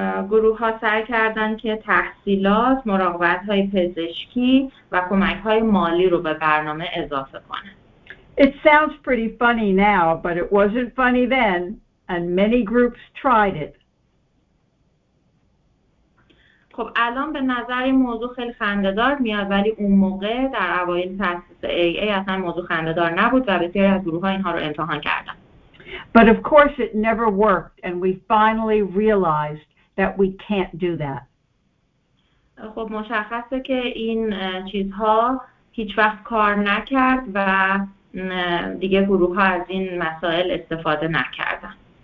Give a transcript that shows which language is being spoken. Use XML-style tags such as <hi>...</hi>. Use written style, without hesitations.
<fa>گروه ها سعی کردن که تحصیلات، مراقبت های پزشکی و کمک های مالی رو به برنامه اضافه کنن.</fa> <en>It sounds pretty funny now, but it wasn't funny then, and many groups tried it.</en> <fa>خب الان به نظر این موضوع خیلی خنده‌دار میاد ولی اون موقع در اوایل تأسیس AA اصلا موضوع خنده‌دار نبود و بسیاری از گروه‌ها اینها رو امتحان کردن.</fa> <en>But of course it never worked and we finally realized that we can't do that.</en> <fa>خب مشخصه که این چیزها هیچ وقت کار نکرد و دیگه گروه ها از این مسائل استفاده نکردن.</fa>